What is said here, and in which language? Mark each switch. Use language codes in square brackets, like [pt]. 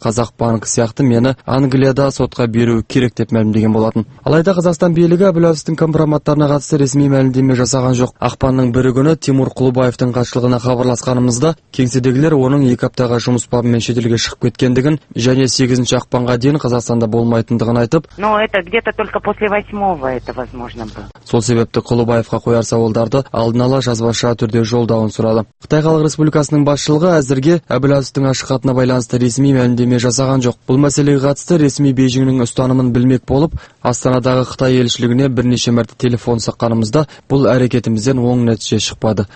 [kk] Қазақ банк сияқты мені Англияда сотқа беру керек деп мәлімдеген болатын. Алайда Қазақстан билігі Әбіләзовтың компроматтарына қатысты ресми мәлімдеме жасаған жоқ. Ақпанның бірі күні Тимур Құлыбаевтың қатшылығына хабарласқанымызда кеңседегілер оның екі аптаға жұмыс бабымен шетелге шығып кеткендігін және 8 ақпанға дейін Қазақстанда болмайтындығын айтып, [ru] но это где-то только после 8-го это возможно было. [kk] Сол себепті Құлыбаевқа қояр сауалдарды алдын ала жазбаша түрде жолдауын сұрады. Қытай Халық Республикасының басшылығы әзірге Әбіләзовтың ашық хатына байланысты ресми мәлімдеме жасаған жоқ. Бұл мәселеге қатысты ресми Бейжіңнің ұстанымын білмек болып, Астанадағы Қытай елшілігіне бірнеше мәрте телефон соққанымызда бұл әрекетімізден оң нәтиже шықпады.